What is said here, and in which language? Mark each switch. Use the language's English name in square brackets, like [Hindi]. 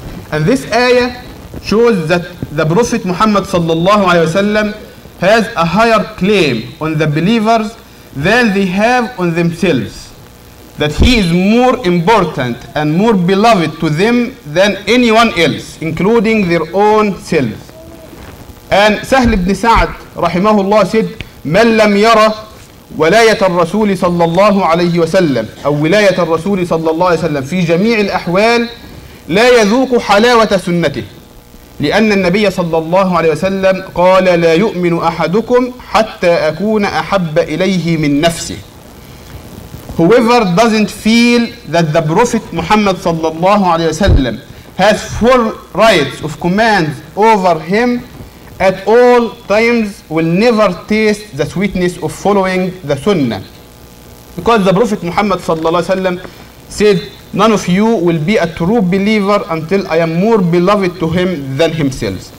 [English] And this ayah shows that the Prophet Muhammad sallallahu alayhi wa sallam has a higher claim on the believers than they have on themselves, that he is more important and more beloved to them than anyone else, including their own selves. And Sahl ibn Sa'd rahimahullah said, [Arabic] "Man lam yara ولاية الرسول صلى الله عليه وسلم أو ولاية الرسول صلى الله عليه وسلم في جميع الأحوال لا يذوق حلاوة سنته، لأن النبي صلى الله عليه وسلم قال لا يؤمن أحدكم حتى أكون أحب إليه من نفسه. [English] Whoever doesn't feel that the Prophet Muhammad صلى الله عليه وسلم has full rights of command over him at all times will never taste the sweetness of following the sunnah. Because the Prophet Muhammad sallallahu alaihi wasallam said, none of you will be a true believer until I am more beloved to him than himself.